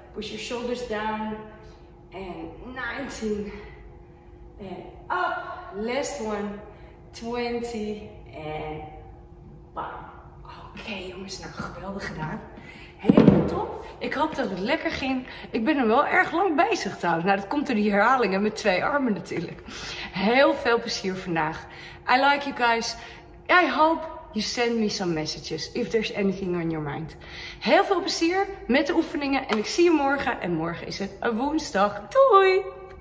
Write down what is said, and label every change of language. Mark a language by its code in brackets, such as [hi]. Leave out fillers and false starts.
[en] Push your shoulders down. En 19. En up. Last one. 20. [nl] En bam. Oké, jongens, nou geweldig gedaan. Helemaal top. Ik hoop dat het lekker ging. Ik ben er wel erg lang bezig trouwens. Nou, dat komt door die herhalingen met twee armen natuurlijk. Heel veel plezier vandaag. [en] I like you guys. I hope you send me some messages if there's anything on your mind. [nl] Heel veel plezier met de oefeningen en ik zie je morgen. En morgen is het een woensdag. Doei!